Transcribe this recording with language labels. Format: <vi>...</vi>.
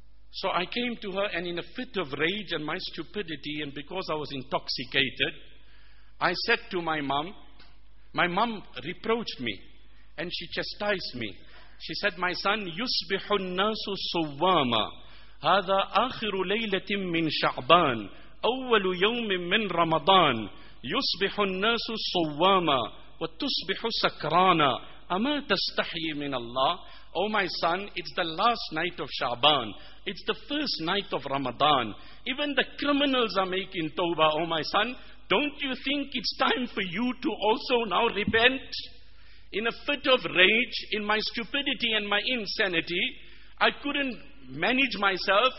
<en>So I came to her, and in a fit of rage and my stupidity, and because I was intoxicated, I said to my mom, my mom reproached me, and she chastised me. She said, my son,</en> <ar>يُسْبِحُ النَّاسُ سُوَّامًا. هذا آخر ليلة من شعبان أول يوم من رمضان يصبح الناس صواما وتصبح سكرانا أما تستحي من الله.</ar> <en>Oh my son, it's the last night of Shaban. It's the first night of Ramadan. Even the criminals are making tawbah. Oh my son, don't you think it's time for you to also now repent? In a fit of rage, in my stupidity and my insanity, I couldn't manage myself.</en>